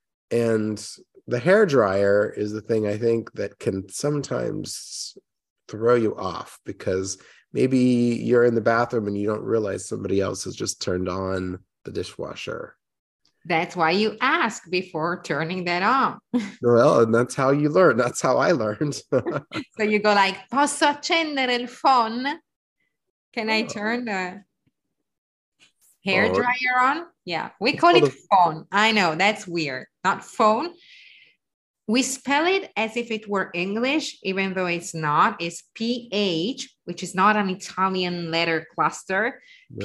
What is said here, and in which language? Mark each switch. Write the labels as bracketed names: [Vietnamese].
[English] And the hair dryer is the thing I think that can sometimes throw you off, because maybe you're in the bathroom and you don't realize somebody else has just turned on the dishwasher. That's why you ask before turning that on. Well, and that's how you learn. That's how I learned. So you go like, [Italian] posso accendere il phone? [English] Can I turn the hair dryer on? Yeah, we call it phone. I know, that's weird. Not phone. We spell it as if it were English, even though it's not. It's P-H, which is not an Italian letter cluster. No.